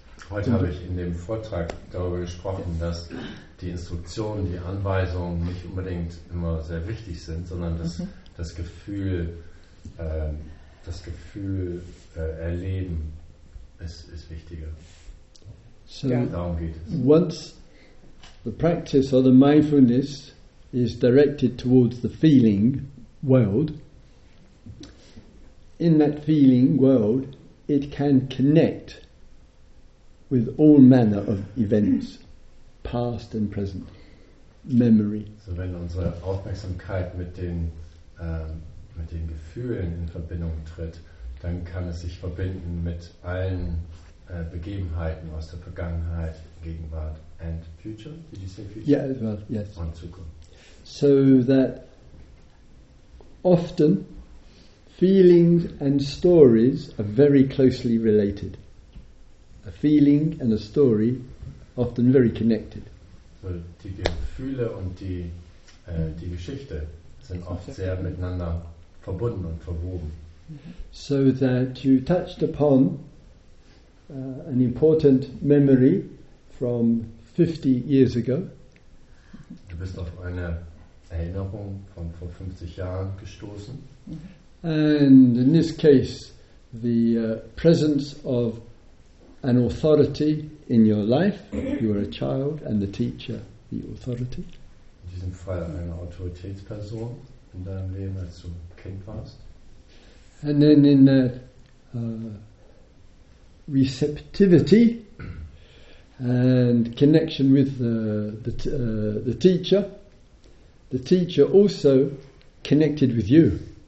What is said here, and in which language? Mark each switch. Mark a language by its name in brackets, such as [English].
[German] Heute habe ich in dem Vortrag darüber gesprochen, dass die Instruktionen, die Anweisungen nicht unbedingt immer sehr wichtig sind, sondern dass das Gefühl erleben ist wichtiger. So darum geht es. [English] Once the practice or the mindfulness is directed towards the feeling world, in that feeling world, it can connect with all manner of events, past and present, memory. [German] So wenn unsere Aufmerksamkeit mit den Gefühlen in Verbindung tritt, dann kann es sich verbinden mit allen Begebenheiten aus der Vergangenheit, Gegenwart [English] and future. Did you say future? Yeah, as well, yes. [German] Und Zukunft. [English] So that often feelings and stories are very closely related. A feeling and a story often very connected. [German] So die Gefühle und die die Geschichte sind oft sehr miteinander verbunden und verwoben. [English] So that you touched upon an important memory from 50 years ago. [German] Du bist auf eine Erinnerung von vor 50 Jahren gestoßen. [English] And in this case, the presence of an authority in your life, you are a child and the teacher, the authority. [German] In diesem Fall eine Autoritätsperson in deinem Leben, als du Kind warst. [English] And then in that receptivity and connection with the teacher, the teacher also connected with you.